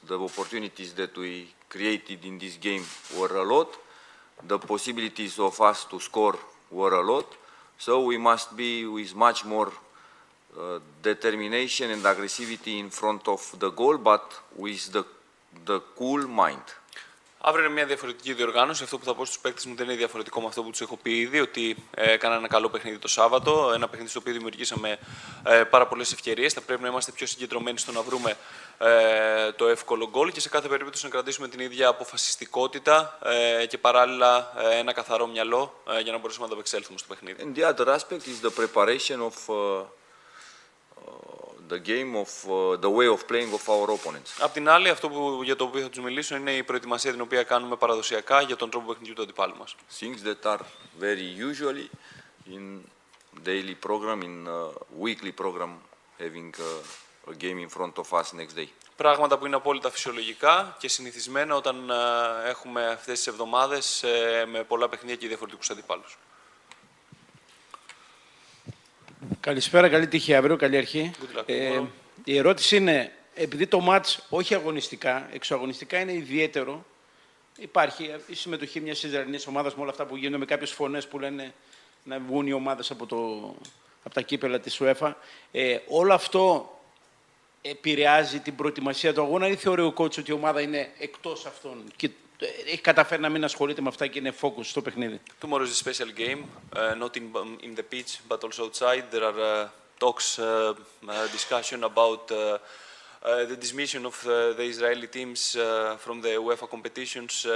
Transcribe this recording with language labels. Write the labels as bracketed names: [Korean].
[English] The opportunities that we created in this game were a lot. The possibilities of us to score were a lot. So we must be with much more determination and aggressivity in front of the goal, but with the cool mind. [Greek] Αύριο είναι μια διαφορετική διοργάνωση. Αυτό που θα πω στους παίκτες μου δεν είναι διαφορετικό με αυτό που τους έχω πει ήδη, ότι έκανα ένα καλό παιχνίδι το Σάββατο. Ένα παιχνίδι στο οποίο δημιουργήσαμε πάρα πολλές ευκαιρίες. Θα πρέπει να είμαστε πιο συγκεντρωμένοι στο να βρούμε το εύκολο γκολ και σε κάθε περίπτωση να κρατήσουμε την ίδια αποφασιστικότητα και παράλληλα ένα καθαρό μυαλό για να μπορέσουμε να ανταπεξέλθουμε στο παιχνίδι. [English] And the other aspect is the preparation of the game of the way of playing of our opponents. [Greek] Απ' την άλλη, αυτό που, για το οποίο θα τους μιλήσω είναι η προετοιμασία την οποία κάνουμε παραδοσιακά για τον τρόπο παιχνιδιού του αντιπάλου μας. [English] Things that are very usually in daily program, in weekly program, having a game in front of us next day. [Greek] Πράγματα που είναι απόλυτα φυσιολογικά και συνηθισμένα όταν έχουμε αυτές τις εβδομάδες με πολλά παιχνίδια και διαφορετικούς αντιπάλους. Καλησπέρα, καλή τύχη αύριο, καλή αρχή. Η ερώτηση είναι, επειδή το μάτς όχι αγωνιστικά, εξωαγωνιστικά είναι ιδιαίτερο, υπάρχει η συμμετοχή μιας Ισραηλινής ομάδας με όλα αυτά που γίνονται, με κάποιες φωνές που λένε να βγουν οι ομάδες από τα κύπελα της UEFA. Όλο αυτό επηρεάζει την προετοιμασία του αγώνα ή θεωρεί ο κότς ότι η ομάδα είναι εκτός αυτών και έχει καταφέρει να μην ασχολείται με αυτά και είναι focus στο παιχνίδι. [English] Tomorrow is a special game, not in the pitch, but also outside. There are talks, discussion about the dismission of the Israeli teams from the UEFA competitions.